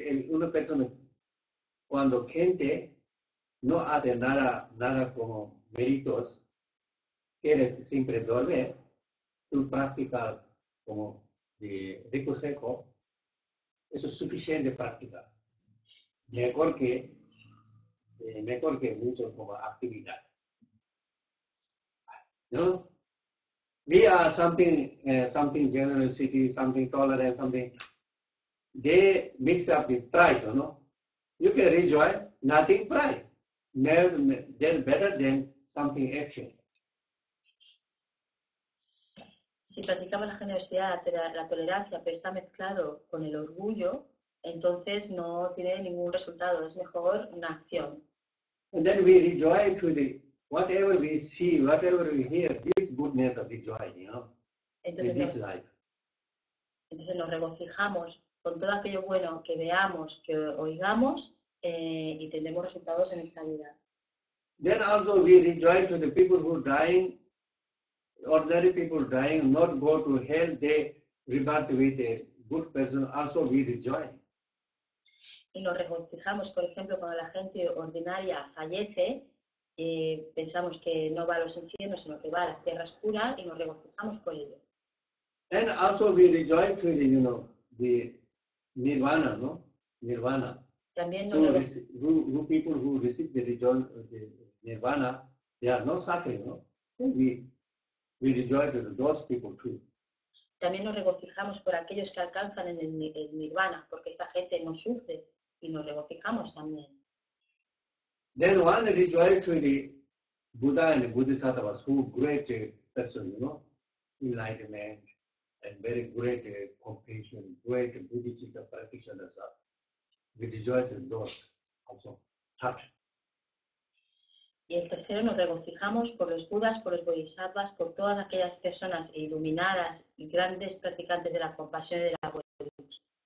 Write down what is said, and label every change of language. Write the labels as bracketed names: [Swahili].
[Spanish] Una persona cuando gente no hace nada como méritos, quiere siempre dormir, tu práctica como de rico seco, eso es suficiente práctica. Mejor que mucho como actividad. ¿No? [English] We are something generosity, something tolerant, something. They mix up with pride, ¿no? You can rejoice, nothing pride. Then better than something action. [Spanish] Si practicamos la generosidad, la tolerancia, pero está mezclado con el orgullo, entonces no tiene ningún resultado, es mejor una acción. [English] And then we rejoice to the whatever we see, whatever we hear, this goodness of rejoice, you know, [Spanish] Entonces nos regocijamos con todo aquello bueno que veamos, que oigamos, y tendremos resultados en esta vida. [English] Then also we rejoice to the people who dying, ordinary people dying, not go to hell, they rebirth with a good person, also we rejoice. [Spanish] Y nos regocijamos, por ejemplo, cuando la gente ordinaria fallece, pensamos que no va a los infiernos, sino que va a las tierras puras, y nos regocijamos con ello. [English] And also we rejoice to the, you know, the Nirvana, ¿no? Nirvana. [Spanish] También [English] no who people who receive the Nirvana, they are not suffering, ¿no? We rejoice to those people too. [Spanish] También nos regocijamos por aquellos que alcanzan en el Nirvana, porque esta gente no sufre. Y nos regocijamos también. [English] Then one rejoice to the Buddha and the Bodhisattvas, who great person, you know, enlightenment and very great compassion, great Buddhist practitioners. We rejoice to those also. Touch. [Spanish] Y el tercero, nos regocijamos por los Budas, por los Bodhisattvas, por todas aquellas personas iluminadas y grandes practicantes de la compasión y de la bodhicitta.